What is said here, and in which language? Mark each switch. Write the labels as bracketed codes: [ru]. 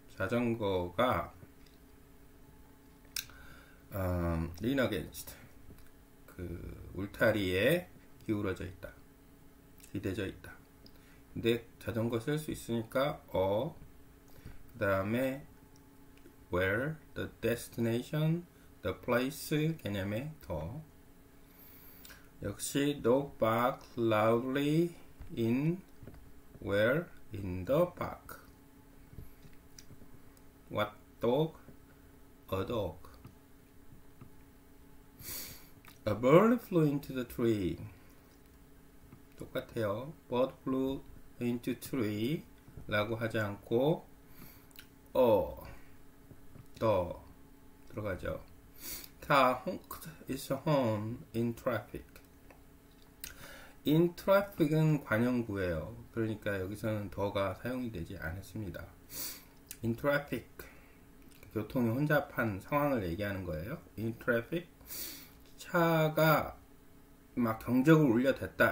[ko] 자전거가 [en] lean against [ko] 그 울타리에 기울어져 있다 기대져 있다 근데 자전거 쓸 수 있으니까 어 그 다음에 [en] where, the destination, the place [ko] 개념의 더 역시 [en] dog bark loudly in where in the park what dog? a dog a bird flew into the tree [ko] 똑같아요 [en] bird flew into tree [ko] 라고 하지 않고 더 들어가죠. [en] Car honked its horn in traffic. [ko] In traffic은 관용구예요. 그러니까 여기서는 더가 사용이 되지 않았습니다. [en] In traffic. [ko] 교통이 혼잡한 상황을 얘기하는 거예요. [en] In traffic. [ko] 차가 막 경적을 울려댔다.